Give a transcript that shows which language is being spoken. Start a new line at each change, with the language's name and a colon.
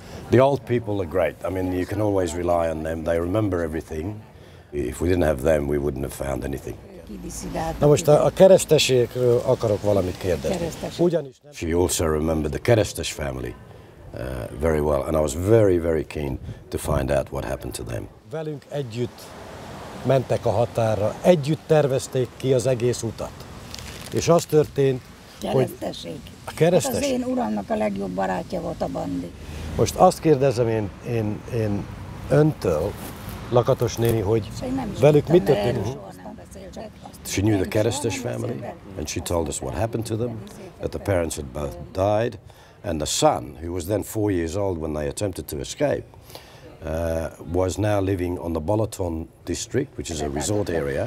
English: The old people are great. I mean, you can always rely on them. They remember everything. If we didn't have them, we wouldn't have found anything.
Hungarian: Na most a keresztesekről akarok valamit kérdezni.
English: She also remembered the Keresztes family very well, and I was very, very keen to find out what happened to them.
Hungarian: Velünk együtt mentek a határra, együtt tervezték ki az egész utat. És az történt, hogy... A keresztes? Hát az én uramnak a legjobb barátja volt a bandi. Most azt kérdezem én öntől, Lakatos néni, hogy velük mi történt?
English: She knew the Kerestes family, and she told us what happened to them, that the parents had both died, and the son, who was then 4 years old when they attempted to escape, was now living on the Balaton district, which is a resort area.